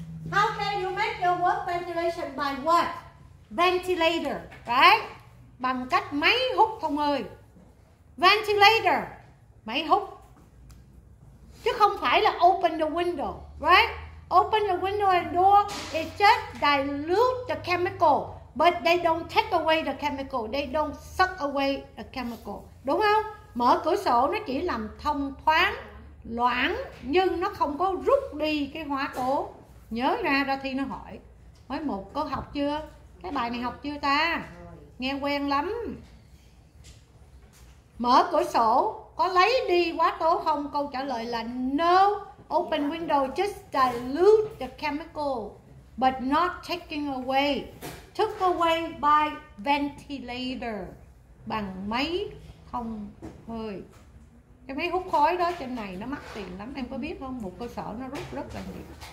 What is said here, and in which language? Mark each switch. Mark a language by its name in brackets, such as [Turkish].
[English] How can you make your work ventilation by what? Ventilator, right? [Vietnamese] Bằng cách máy hút thông hơi. Ventilator, máy hút. Chứ không phải là [English] open the window, right? Open the window and door, it just dilute the chemical. But they don't take away the chemical, they don't suck away the chemical. [Vietnamese] Đúng không? Mở cửa sổ nó chỉ làm thông thoáng, loãng, nhưng nó không có rút đi cái hóa tố. Nhớ ra, ra thi nó hỏi. Hỏi một, có học chưa? Cái bài này học chưa ta? Nghe quen lắm. Mở cửa sổ có lấy đi hóa tố không? Câu trả lời là no. [English] Open window just dilute the chemical, but not taking away. Took away by ventilator, [Vietnamese] bằng máy thông hơi. Cái máy hút khói đó trên này nó mắc tiền lắm, em có biết không? Một cơ sở nó rút rất là nhiều.